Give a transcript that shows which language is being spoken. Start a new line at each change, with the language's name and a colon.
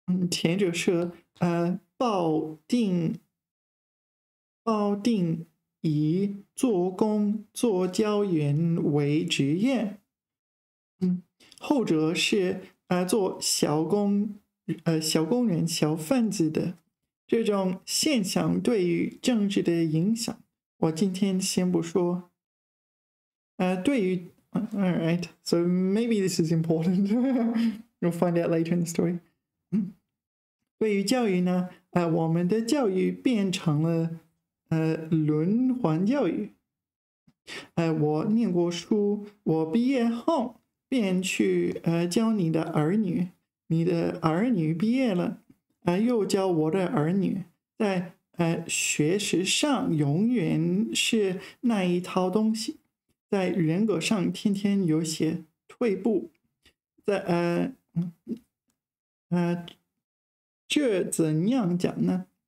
Chinese: 前者是抱定以做工做教员为职业，后者是做小工人小贩子的。这种现象对于政治的影响我今天先不说。对于
English: alright so maybe this is important you'll find out later in the story
Chinese: 对于教育呢，我们的教育变成了轮环教育。我念过书，我毕业后便去教你的儿女，你的儿女毕业了，又教我的儿女，在学识上永远是那一套东西，在人格上天天有些退步，在这怎样讲呢？